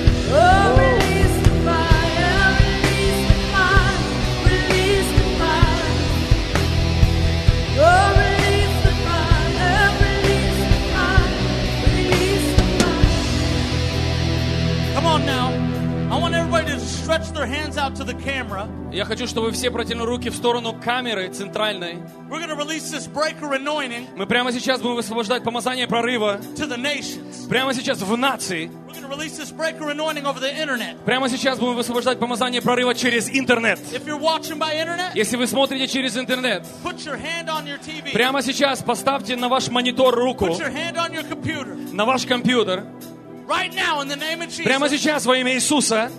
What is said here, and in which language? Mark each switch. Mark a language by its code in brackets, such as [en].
[en] Oh, oh. Release the fire, release the fire, release the fire. Oh, release the fire, release the fire, release the fire. Come on now. I want everybody to stretch their hands out to the camera. [ru] Я хочу, чтобы все протянули руки в сторону камеры центральной. [en] We're going to release this breaker anointing. [ru] Мы прямо сейчас будем высвобождать помазание прорыва. [en] To the nations. [ru] Прямо сейчас в нации. [en] We're going to release this breaker anointing over the internet. [ru] Прямо сейчас будем высвобождать помазание прорыва через интернет. [en] If you're watching by internet. [ru] Если вы смотрите через интернет. [en] Put your hand on your TV. [ru] Прямо сейчас поставьте на ваш монитор руку. [en] Put your hand on your computer. [ru] На ваш компьютер. [en] Right now, in the name of Jesus. [ru] Прямо сейчас во имя Иисуса.